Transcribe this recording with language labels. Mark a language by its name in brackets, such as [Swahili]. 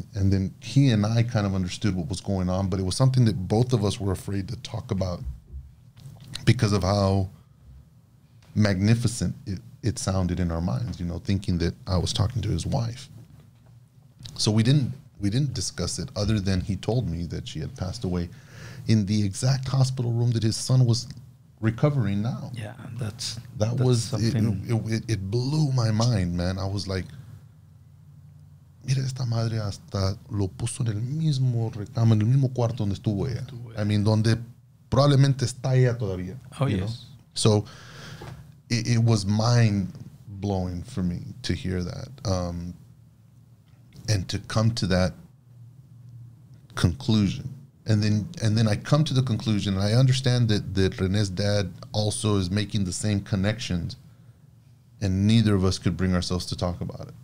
[English] And then he and I kind of understood what was going on, but it was something that both of us were afraid to talk about because of how magnificent it sounded in our minds, you know, thinking that I was talking to his wife. So we didn't discuss it, other than he told me that she had passed away in the exact hospital room that his son was recovering now. Yeah, that was something. It blew my mind, man. I was like, [Spanish] mira esta madre hasta lo puso en el mismo recámara, en el mismo cuarto donde estuvo ella. I mean, donde probablemente está ella todavía. [English] Oh, yes. Know? So it was mind-blowing for me to hear that. And to come to that conclusion. And then I come to the conclusion, and I understand that René's dad also is making the same connections, and neither of us could bring ourselves to talk about it.